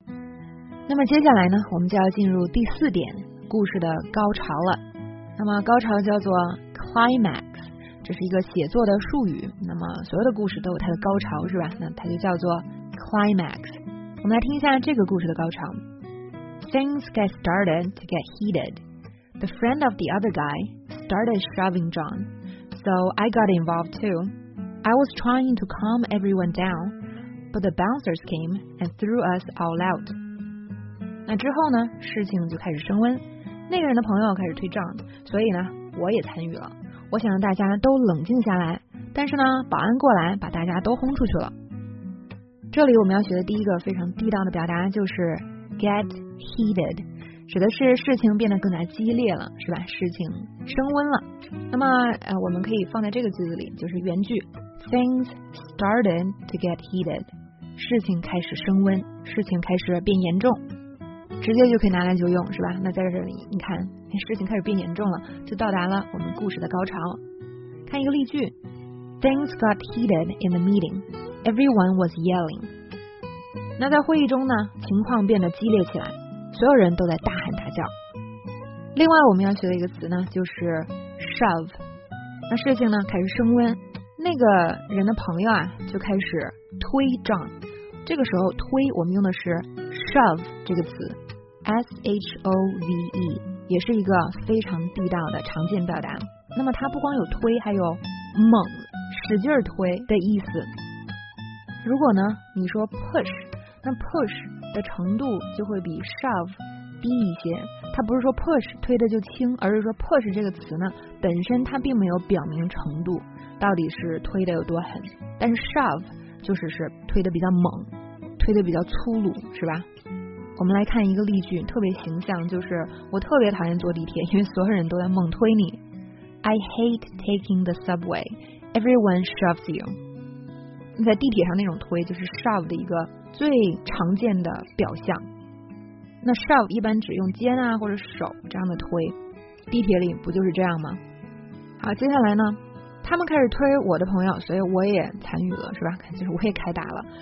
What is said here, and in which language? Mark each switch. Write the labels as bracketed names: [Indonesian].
[Chinese] 那么接下来呢，我们就要进入第四点，故事的高潮了。那么高潮叫做 climax， 这是一个写作的术语。那么所有的故事都有它的高潮，是吧？那它就叫做 climax。我们来听一下这个故事的高潮。 [English] Things get started to get heated. The friend of the other guy started shoving John, so I got involved too. I was trying to calm everyone down, but the bouncers came and threw us all out. [Chinese] 那之后呢，事情就开始升温。那个人的朋友开始推撞，所以呢，我也参与了。我想让大家都冷静下来，但是呢，保安过来把大家都轰出去了。这里我们要学的第一个非常地道的表达就是 get heated， 指的是事情变得更加激烈了，是吧？事情升温了。那么我们可以放在这个句子里，就是原句 [English] things started to get heated， [Chinese] 事情开始升温，事情开始变严重，直接就可以拿来就用，是吧？那在这里你看，事情开始变严重了，就到达了我们故事的高潮。看一个例句， [English] things got heated in the meeting. Everyone was yelling. [Chinese] 那在会议中呢，情况变得激烈起来，所有人都在大喊大叫。另外我们要学的一个词呢，就是 shove。那事情呢开始升温，那个人的朋友啊就开始推撞。这个时候推我们用的是shove 这个词， shove 也是一个非常地道的常见表达。那么它不光有推，还有猛使劲推的意思。如果呢你说 push， 那 push 的程度就会比 shove 低一些。它不是说 push 推的就轻，而是说 push 这个词呢本身它并没有表明程度到底是推的有多狠，但是 shove 就是推的比较猛，推的比较粗鲁，是吧？我们来看一个例句，特别形象，就是我特别讨厌坐地铁，因为所有人都在猛推你。 [English] I hate taking the subway. Everyone shoves you. [Chinese] 在地铁上那种推就是 shove 的一个最常见的表象。那 shove 一般只用肩啊或者手这样的推，地铁里不就是这样吗？好，接下来呢，他们开始推我的朋友，所以我也参与了，是吧？就是我也开打了。